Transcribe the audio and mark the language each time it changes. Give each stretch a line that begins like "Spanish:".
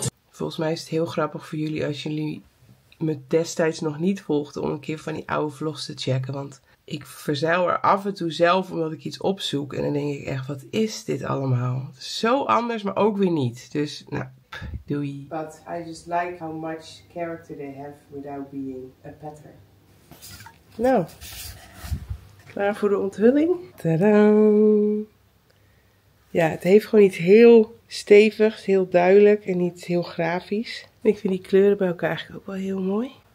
Dutch: Volgens mij is het heel grappig voor jullie als jullie me destijds nog niet volgden om een keer van die oude vlogs te checken, want... Ik verzeil er af en toe zelf omdat ik iets opzoek. En dan denk ik echt, wat is dit allemaal? Zo anders, maar ook weer niet. Dus, nou, doei.
English: But I just like how much character they have without being a pattern.
Dutch: Nou, klaar voor de onthulling? Tadaa! Ja, het heeft gewoon iets heel stevigs, heel duidelijk en iets heel grafisch. En ik vind die kleuren bij elkaar eigenlijk ook wel heel mooi.